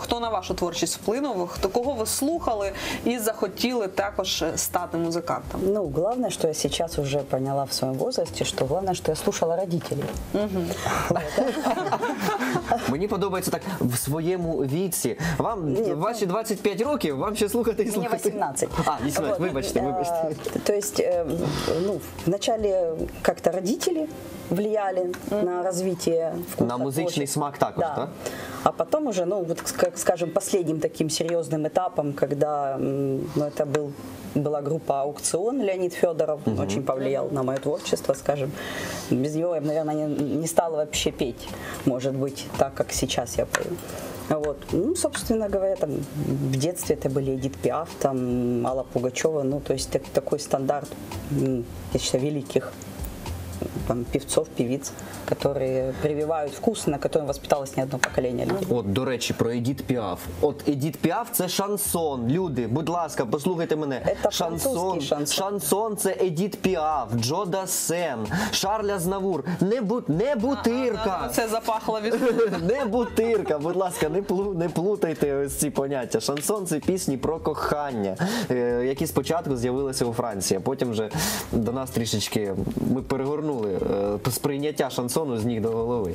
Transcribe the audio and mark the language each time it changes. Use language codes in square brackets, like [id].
[uk] Хто на вашу творчість вплинув, хто кого ви слухали і захотіли також стати музикантом? Ну, головне, що я зараз вже поняла в своєму возрасті, [ru] что главное, что я слушала родителей. [uk] Мені подобається так в своєму віці. Вам ваші 25 років, вам ще слухати і слухати. Мені 18. А, 18, вот. Вибачте. [ru] То есть, ну, вначале как-то родители влияли на развитие вкуса. [uk] На музичний смак також, да. [ru] А потом уже, ну, вот, как, скажем, последним таким серйозним етапом, когда, ну, это был была группа «Аукцион» Леонид Федоров, очень повлиял на мое творчество, скажем. Без него я, наверное, не стала вообще петь, может быть, так, как сейчас я пою. Вот. Ну, собственно говоря, там, в детстве это были Эдит Пиаф, там, Алла Пугачева, ну, то есть такой стандарт, я считаю, великих там, певцов, певиц, которые прививают вкус, на котором воспиталось не одно поколение людей. [uk] От, до речі, про Едіт Піаф. От, Едіт Піаф – це шансон. Люди, будь ласка, послухайте мене. [ru] Это шансон. Французский шансон. [uk] Шансон – це Едіт Піаф, Джо Дассен, Шарль Азнавур. Не бутирка. А, це запахло від... Не бутирка. Будь ласка, не плутайте ось ці поняття. Шансон – це пісні про кохання, які спочатку з'явилися у Франції, а потім вже до нас трішечки ми перегорнули сприйняття шансону з ніг до голови.